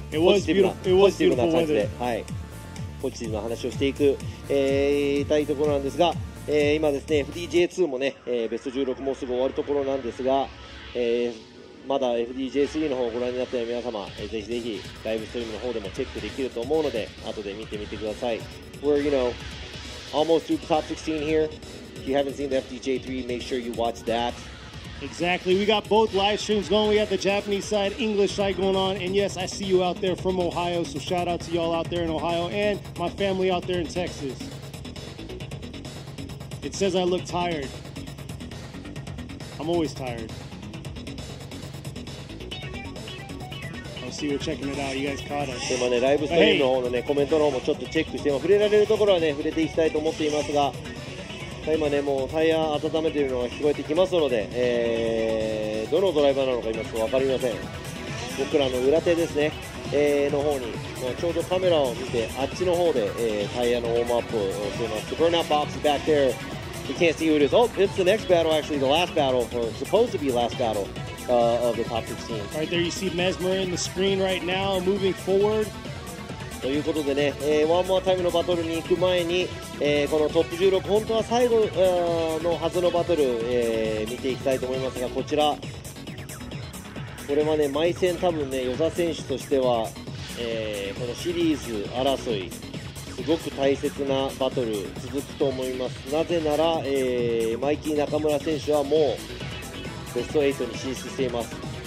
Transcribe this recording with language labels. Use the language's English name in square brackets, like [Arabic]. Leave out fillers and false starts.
[Japanese] ポジティブな感じで、はい、ポジティブな話をしていく、たいところなんですが、今ですね、FDJ2 もね、ベスト16もすぐ終わるところなんですが、まだ FDJ3 の方をご覧になっている皆様、ぜひぜひライブストリームの方でもチェックできると思うので、後で見てみてください。 [English] We're you know almost through the top 16 here. If you haven't seen the FDJ3, make sure you watch that. Exactly. We got both live streams going. We got the Japanese side, English side going on. And yes, I see you out there from Ohio. So shout out to y'all out there in Ohio and my family out there in Texas. It says I look tired. I'm always tired. I see we're checking it out. You guys caught us. [Japanese] でもね、ライブストリームの方のね、コメントの方もちょっとチェックして、触れられるところはね、触れていきたいと思っていますが、今ねもうタイヤ温めているのが聞こえてきますので、どのドライバーなのか今ちょっと分かりません。僕らの裏手ですね、の方にもうちょうどカメラを見てあっちの方で、タイヤのウォームアップをしています。 [English] The burnout box is back there. We can't see who it is. Oh, it's the next battle, actually, the last battle, or supposed to be last battle of the top 16. All right, there you see Mesmer in the screen right now, moving forward. [Japanese] ということでね、ワンモアタイムのバトルに行く前に、このトップ16、本当は最後のはずのバトル、見ていきたいと思いますが、こちら、これはね、毎戦、多分ね、与座選手としては、このシリーズ争い、すごく大切なバトル、続くと思います、なぜなら、マイキー中村選手はもうベスト8に進出しています。